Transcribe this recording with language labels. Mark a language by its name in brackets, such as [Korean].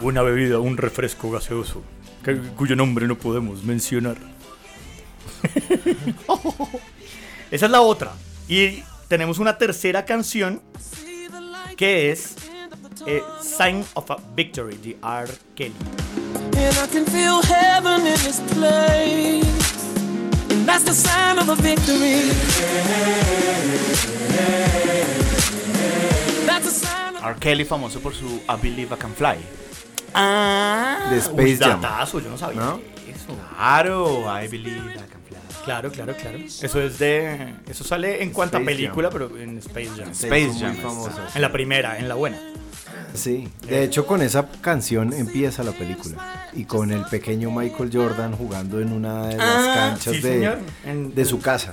[Spanish] Una bebida, un refresco gaseoso, cuyo nombre no podemos mencionar. Esa es la otra. Y tenemos una tercera canción que es Sign of a Victory de R. Kelly. [English] And I can feel heaven in this place. And that's the sign of a victory. [Spanish] R. Kelly, famoso por su I Believe I Can Fly. Ah, de Space Jam. Datazo, yo no sabía. ¿No? Eso. Claro, I Believe I Can Fly. Claro, claro, claro. Eso es de... Eso sale en cuanta película, Jam. Pero en Space Jam. Space Jam. Muy famoso. En la primera, en la buena. Sí. De hecho, con esa canción empieza la película. Y con el pequeño Michael Jordan jugando en una de las canchas ¿sí, de su casa.